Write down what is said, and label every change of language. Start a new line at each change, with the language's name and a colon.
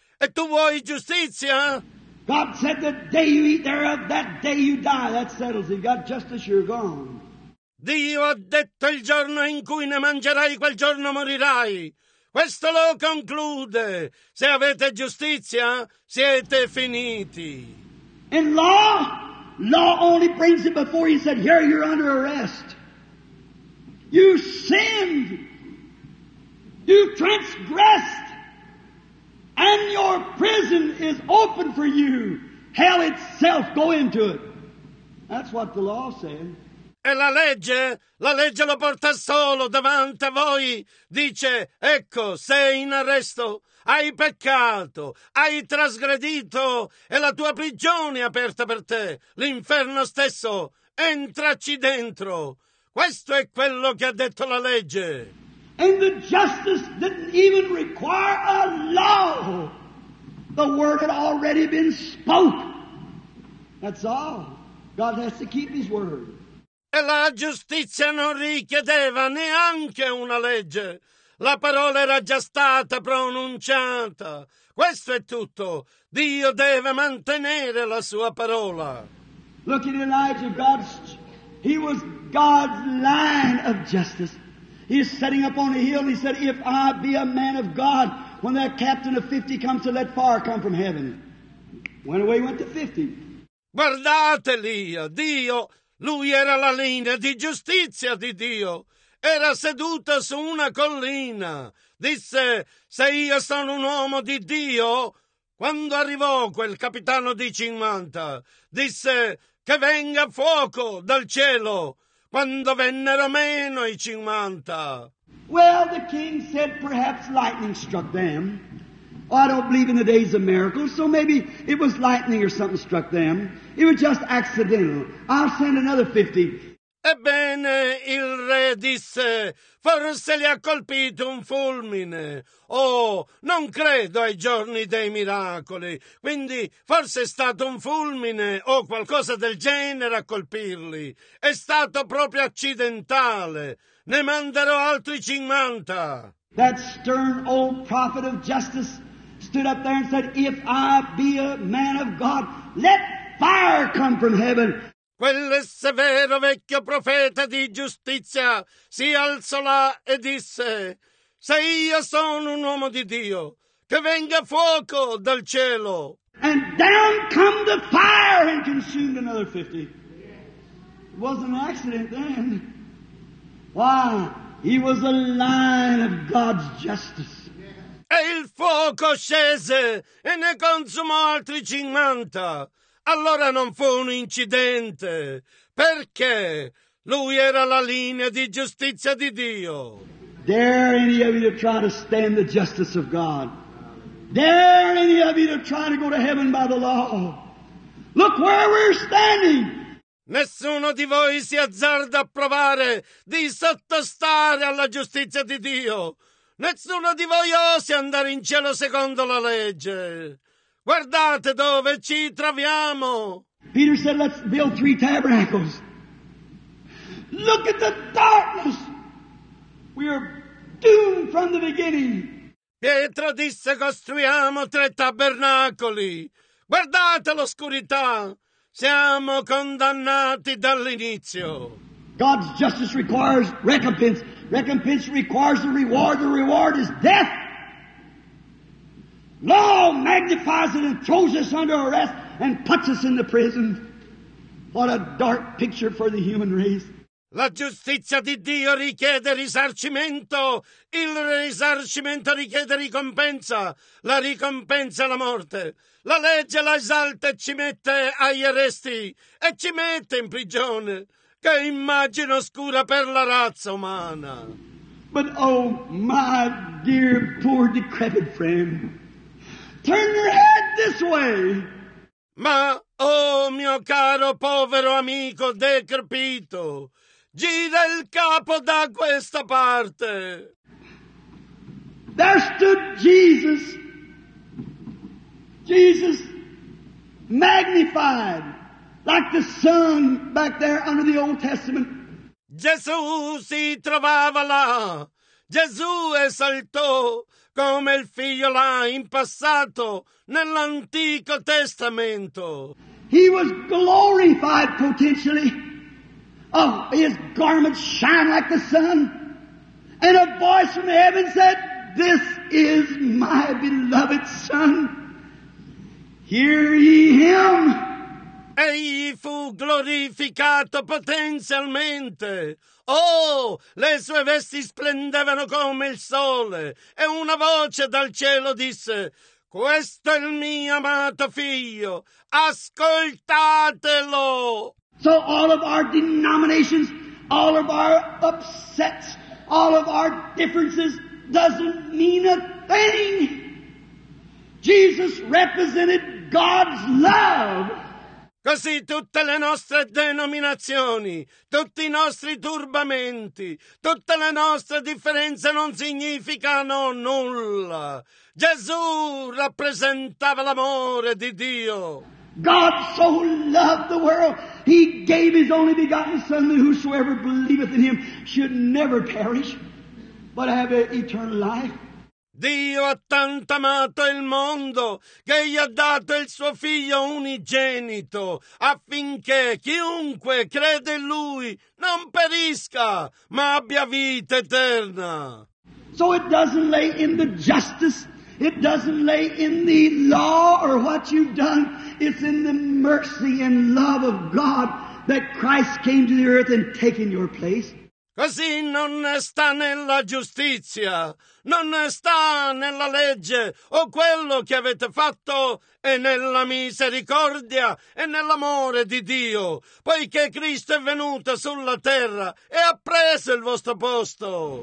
Italian: E tu vuoi giustizia?
English: God said the day you eat thereof, that day you die. That settles it. God, justice, you're gone.
Italian: Dio ha detto il giorno in cui ne mangerai, quel giorno morirai. Questo lo conclude. Se avete giustizia, siete finiti.
English: In law? Law only brings it before you. He said, here you're under arrest. You sinned. You transgressed, and your prison is open for you. Hell itself, go into it. That's what the law said.
Italian: E la legge lo porta solo davanti a voi. Dice, ecco, sei in arresto, hai peccato, hai trasgredito, e la tua prigione è aperta per te, l'inferno stesso, entraci dentro. Questo è quello che ha detto la legge.
English: And the justice didn't even require a law. The word had already been spoke. That's all. God has to keep his word.
Italian: E la giustizia non richiedeva neanche una legge. La parola era già stata pronunciata. Questo è tutto. Dio deve mantenere la sua parola.
English: Look at Elijah. God's, he was God's line of justice. He's sitting up on a hill and he said, if I be a man of God, when that captain of 50 comes to let fire come from heaven. Went away, went to 50.
Italian: Guardate lì, Dio, lui era la linea di giustizia di Dio. Era seduta su una collina. Disse, se io sono un uomo di Dio. Quando arrivò quel capitano di 50, disse, che venga fuoco dal cielo. Quando vennero meno i 50.
English: Well, the king said, perhaps lightning struck them. I don't believe in the days of miracles, so maybe it was lightning or something struck them. It was just accidental. I'll send another 50.
Italian: Ebbene, il re disse, forse li ha colpito un fulmine. Oh, non credo ai giorni dei miracoli. Quindi, forse è stato un fulmine o qualcosa del genere a colpirli. È stato proprio accidentale. Ne manderò altri 50.
English: That stern old prophet of justice stood up there and said, if I be a man of God, let fire come from heaven.
Italian: Quel severo vecchio profeta di giustizia si alzò là e disse, se io sono un uomo di Dio, che venga fuoco dal cielo.
English: And down come the fire and consumed another 50. It wasn't an accident then. Why? He was a lion of God's justice.
Italian: E il fuoco scese e ne consumò altri 50. Allora non fu un incidente, perché lui era la linea di giustizia di Dio.
English: Dare any of you to try to stand the justice of God? Dare any of you to try to go to heaven by the law? Look where we're standing!
Italian: Nessuno di voi si azzarda a provare di sottostare alla giustizia di Dio. Nessuno di voi osi andare in cielo secondo la legge. Guardate dove ci troviamo.
English: Peter said, let's build 3 tabernacles. Look at the darkness. We are doomed from the beginning.
Italian: Pietro disse, costruiamo 3 tabernacoli. Guardate l'oscurità. Siamo condannati dall'inizio.
English: God's justice requires recompense. Recompense requires a reward. The reward is death. Law magnifies it and throws us under arrest and puts us in the prison. What a dark picture for the human race.
Italian: La giustizia di Dio richiede risarcimento. Il risarcimento richiede ricompensa. La ricompensa è la morte. La legge la esalta e ci mette agli arresti e ci mette in prigione. Che immagine oscura per la razza umana.
English: But oh, my dear, poor, decrepit friend, turn your head this way.
Italian: Ma, oh, mio caro, povero amico decrepito, gira il capo da questa parte.
English: There stood Jesus. Jesus magnified. Like the sun back there under the Old Testament.
Italian: Gesù si trovava là. Gesù esaltò come il figlio là in passato nell'Antico Testamento.
English: He was glorified potentially. Oh, his garments shine like the sun. And a voice from heaven said, this is my beloved son. Hear ye him.
Italian: Egli fu glorificato potenzialmente. Oh, le sue vesti splendevano come il sole. E una voce dal cielo disse, questo è il mio amato figlio, ascoltatelo.
English: So all of our denominations, all of our upsets, all of our differences doesn't mean a thing. Jesus represented God's love.
Italian: Così tutte le nostre denominazioni, tutti i nostri turbamenti, tutte le nostre differenze non significano nulla. Gesù rappresentava l'amore di Dio.
English: God so loved the world, he gave his only begotten Son, that whosoever believeth in him should never perish, but have eternal life.
Italian: Dio ha tanto amato il mondo che gli ha dato il suo figlio unigenito affinché chiunque crede in lui non perisca ma abbia vita eterna.
English: So it doesn't lay in the justice, it doesn't lay in the law or what you've done, it's in the mercy and love of God that Christ came to the earth and taken your place.
Italian: Così non sta nella giustizia, non sta nella legge o quello che avete fatto, e nella misericordia e nell'amore di Dio, poiché Cristo è venuto sulla terra e ha preso il vostro posto.